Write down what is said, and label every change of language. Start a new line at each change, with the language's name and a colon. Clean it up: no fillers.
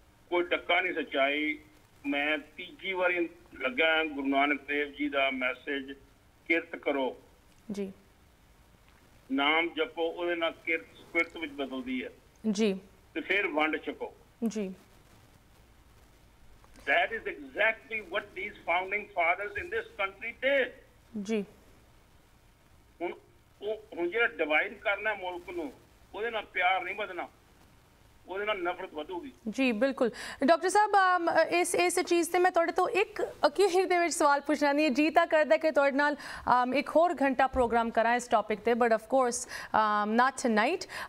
Punjabi: ਕੋਈ ਟੱਕਾ ਨਹੀਂ ਸੱਚਾਈ ਮੈਂ ਤੀਜੀ ਵਾਰੀ ਲੱਗਾ ਗੁਰੂ ਨਾਨਕ ਦੇਵ ਜੀ ਦਾ ਮੈਸੇਜ ਕਿਰਤ ਕਰੋ ਜੀ ਨਾਮ ਜਪੋ ਉਹਦੇ ਨਾਲ ਕਿਰਤ ਸਪਿਰਤ ਵਿੱਚ ਬਦਲਦੀ ਹੈ ਜੀ ਤੇ ਫਿਰ ਵੰਡ ਚੁਕੋ ਜੀ
English: That is exactly what these founding fathers in this country did. Ji.
Punjabi: ਹੁਣ ਜਿਹੜਾ ਡਿਵਾਈਡ ਕਰਨਾ ਮੁਲਕ ਨੂੰ ਉਹਦੇ ਨਾਲ ਪਿਆਰ ਨਹੀਂ ਵਧਣਾ, ਉਹਦੇ ਨਾਲ ਨਫ਼ਰਤ ਵਧੂਗੀ। ਜੀ ਬਿਲਕੁਲ ਡਾਕਟਰ ਸਾਹਿਬ, ਇਸ ਚੀਜ਼ ਤੇ ਮੈਂ ਤੁਹਾਡੇ ਤੋਂ ਇੱਕ ਅਖੀਰ ਦੇ ਵਿੱਚ ਸਵਾਲ ਪੁੱਛਣਾ ਨਹੀਂ ਹੈ। ਜੀ ਤਾਂ ਕਰਦਾ ਕਿ ਤੁਹਾਡੇ ਨਾਲ ਇੱਕ ਹੋਰ ਘੰਟਾ ਪ੍ਰੋਗਰਾਮ ਕਰਾਂ ਇਸ ਟੌਪਿਕ ਤੇ,
English: But of course not tonight.